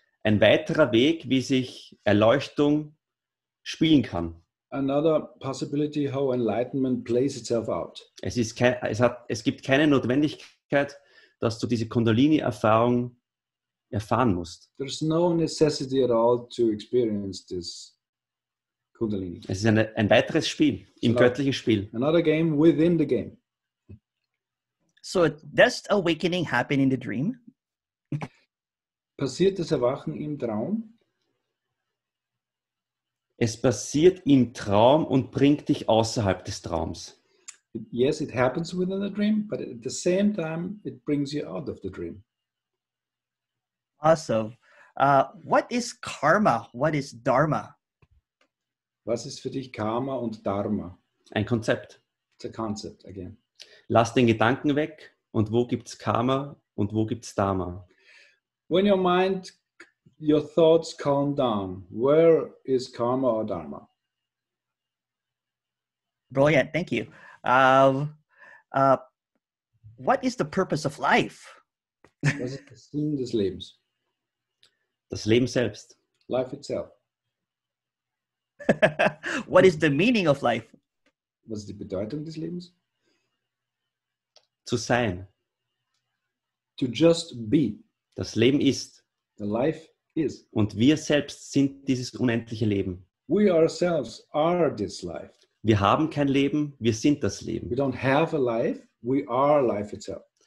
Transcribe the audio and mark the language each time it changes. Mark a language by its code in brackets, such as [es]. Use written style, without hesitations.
[de] Ein weiterer Weg, wie sich Erleuchtung spielen kann. [en] Another possibility how enlightenment plays itself out. [de] Es gibt keine Notwendigkeit, dass du diese Kundalini-Erfahrung erfahren musst. [en] There's no necessity at all to experience this Kundalini. [de] Es ist ein weiteres Spiel, im göttlichen Spiel. [en] Another game within the game. So does awakening happen in the dream? [de] Passiert das Erwachen im Traum? Es passiert im Traum und bringt dich außerhalb des Traums. [en] Yes, it happens within the dream, but at the same time, it brings you out of the dream. Awesome. What is karma? What is dharma? [de] Was ist für dich Karma und Dharma? Ein Konzept. [en] It's a concept, again. [de] Lass den Gedanken weg, und wo gibt's Karma und wo gibt's Dharma? [en] When your mind, your thoughts calm down, where is Karma or Dharma? Brilliant, thank you. What is the purpose of life? [de] Was ist der Sinn des Lebens? Das Leben selbst. [en] Life itself. What is the meaning of life? [de] Was ist die Bedeutung des Lebens? Zu sein. [en] To just be. [de] Das Leben ist. [en] The life is. [de] Und wir selbst sind dieses unendliche Leben. [en] We ourselves are this life. [de] Wir haben kein Leben, wir sind das Leben. [en] We don't have a life, we are life itself.